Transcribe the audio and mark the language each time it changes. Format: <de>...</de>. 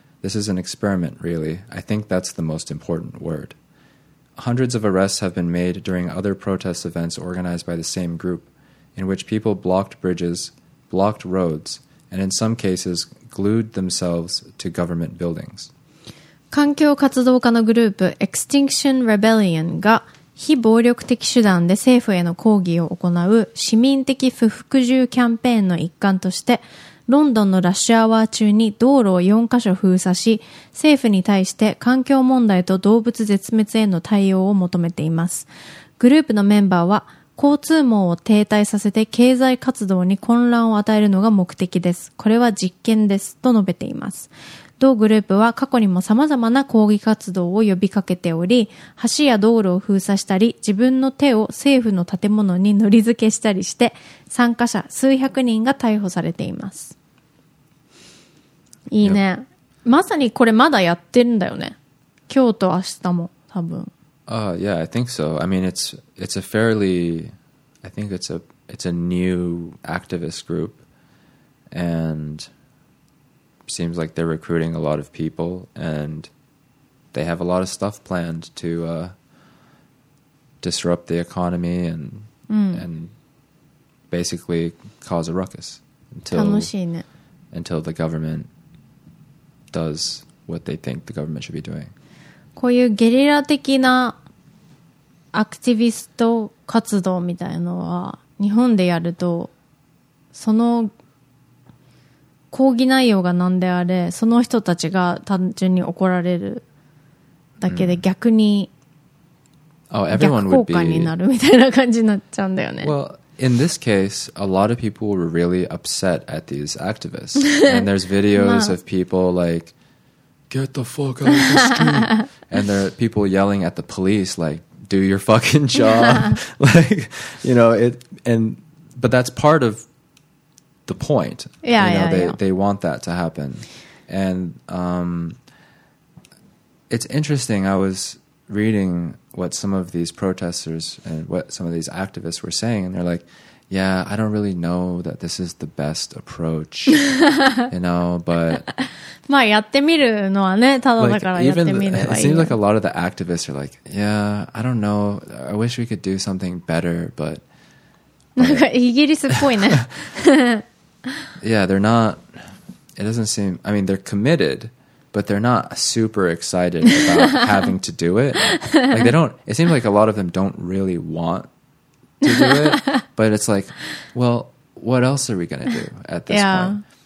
<en>This is an experiment, really. I think that's the most important word." Hundreds of arrests have been made during other protest events organized by the same group, in which people blocked bridges, blocked roads, and in some cases glued themselves to government buildings.</en> <ja>環境活動家のグループ Extinction Rebellion が非暴力的手段で政府への抗議を行う市民的不服従キャンペーンの一環としてロンドンのラッシュアワー中に道路を4カ所封鎖し、政府に対して環境問題と動物絶滅への対応を求めています。グループのメンバーは、交通網を停滞させて経済活動に混乱を与えるのが目的です。これは実験です。と述べています。同グループは過去にも様々な抗議活動を呼びかけており、橋や道路を封鎖したり、自分の手を政府の建物に乗り付けしたりして、参加者数百人が逮捕されています。いいね。</ja> <en>Yep.</en> <ja>まさにこれまだやってるんだよね。今日と明日も多分。</ja> <en>Yeah, I think so. I mean, it's a fairly, I think it's a new activist group and... seems like they're recruiting a lot of people and they have a lot of stuff planned to disrupt the economy and and basically cause a ruckus until the government does what they think the government should be doing.</en> <ja>こういうゲリラ的なアクティビスト活動みたいのは日本でやるとその抗議内容が何であれその人たちが単純に怒られるだけで逆に逆効果になるみたいな感じになっちゃうんだよね。</ja> <en>Well, in this case, a lot of people were really upset at these activists. And there's videos of people like, get the fuck out of the street. And there are people yelling at the police like, do your fucking job. Like, you know, but that's part of,the point. Yeah, you know, they want that to happen. And it's interesting. I was reading what some of these protesters and what some of these activists were saying, and they're like, yeah, I don't really know that this is the best approach, you know, but...</en> <ja>まあやってみるのはね、ただだからやってみればいい。</ja> <en>It seems like a lot of the activists are like, yeah, I don't know. I wish we could do something better, but...</en> <ja>なんかイギリスっぽいね。</ja> <en>Yeah, they're not, it doesn't seem, I mean, they're committed, but they're not super excited about having to do it. Like they don't, it seems like a lot of them don't really want to do it, but it's like, well, what else are we going to do at this point?</en>